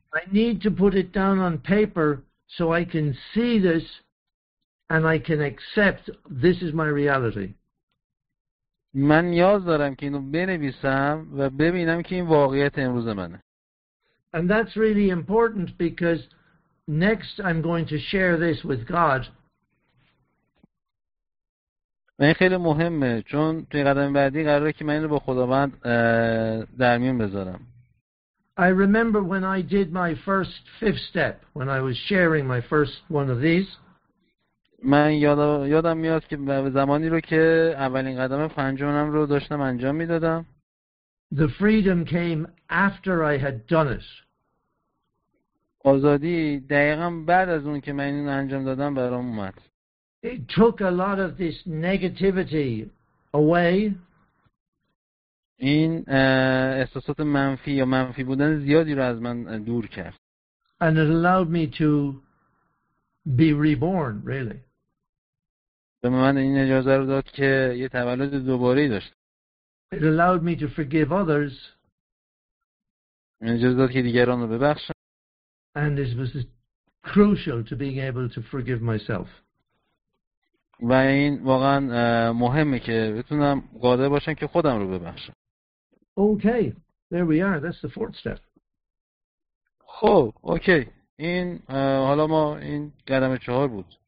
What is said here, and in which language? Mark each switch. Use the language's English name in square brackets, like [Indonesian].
[English] I need to put it down on paper so I can see this and I can accept this is my reality. [Persian] من نیاز دارم که اینو بنویسم و ببینم که این واقعیت امروز منه. [English] And that's really important because next I'm going to share this with God. [Persian] این خیلی مهمه چون توی قدم بعدی قراره که من اینو با خداوند در میون بذارم. [English] I remember when I did my first fifth step, when I was sharing my first one of these. [Persian] من یادم میاد که زمانی رو که اولین قدم پنجمم رو داشتم انجام میدادم. [English] The freedom came after I had done it. [Persian] آزادی دقیقاً بعد از اون که من اینو انجام دادم برام اومد. [English] It took a lot of this negativity away. [Persian] این احساسات منفی یا منفی بودن زیادی رو از من دور کرد. [English] And it allowed me to be reborn, really. [Persian] به من این اجازه رو داد که یه تولد دوباره‌ای داشت. [English] It allowed me to forgive others. [Persian] این اجازه داد که دیگران رو ببخشم. [English] And this was crucial to being able to forgive myself. [Persian] و این واقعا مهمه که بتونم قادر باشم که خودم رو ببخشم. [English] Okay, there we are. That's the fourth step. [Persian] خب اوکی، این حالا ما این قدم چهار بود.